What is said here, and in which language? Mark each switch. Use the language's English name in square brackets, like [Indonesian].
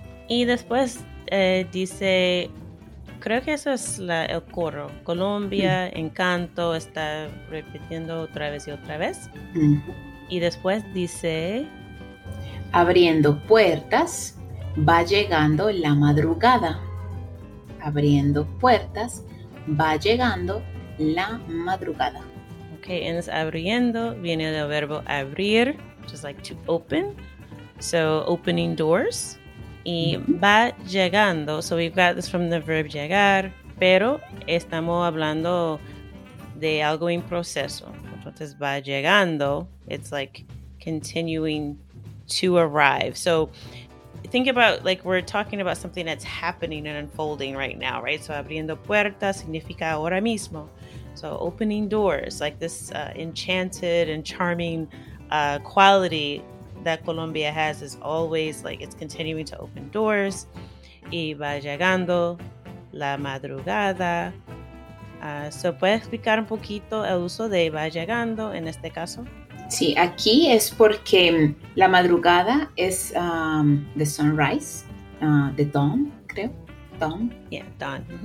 [Spanish] Y después dice, creo que eso es el coro, Colombia, encanto, está repitiendo otra vez y otra vez. Y después dice, abriendo puertas. Va llegando la madrugada. Abriendo puertas, va llegando la madrugada. [English] Okay, and this abriendo [Spanish] viene del verbo abrir, [English] which is like to open. So, opening doors. [Spanish] Y va llegando, [English] so we've got this from the verb [Spanish] llegar, pero estamos hablando de algo en proceso. [English] Entonces, [Spanish] va llegando, [English] it's like continuing to arrive. So, think about, like, we're talking about something that's happening and unfolding right now, right? [Spanish] So, abriendo puertas significa ahora mismo. [English] So, opening doors, like this enchanted and charming quality that Colombia has is always, like, it's continuing to open doors. [Spanish] Y va llegando la madrugada. So, ¿puedes explicar un poquito el uso de va llegando en este caso? Sí, aquí es porque la madrugada es [English] the sunrise, the dawn, [Spanish] creo. [English] Dawn. Yeah, dawn.